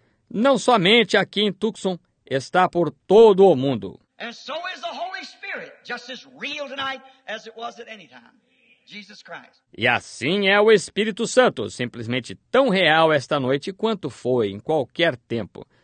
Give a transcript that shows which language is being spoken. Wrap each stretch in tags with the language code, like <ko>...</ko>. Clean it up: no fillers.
<pt>Não somente aqui em Tucson, está por todo o mundo.</pt> <en>And so is the Holy Spirit, just as real tonight as it was at any time. Jesus Christ.</en> <pt>E assim é o Espírito Santo, simplesmente tão real esta noite quanto foi em qualquer tempo.</pt>